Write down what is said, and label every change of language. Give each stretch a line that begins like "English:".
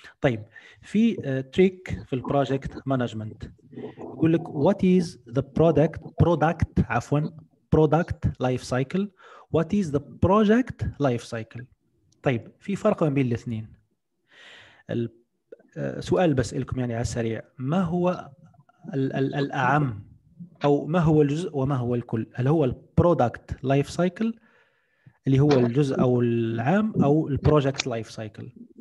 Arabic: طيب في تريك في البروجكت مانجمنت، يقول لك
English: what is the product,
Arabic: برودكت عفوا
English: product life cycle, what is the project life cycle.
Arabic: طيب في فرق ما بين الاثنين. سؤال بسألكم يعني على السريع، ما هو الأعم أو ما هو الجزء وما هو الكل؟ هل هو البرودكت لايف سايكل اللي هو الجزء أو العام أو البروجكت لايف سايكل؟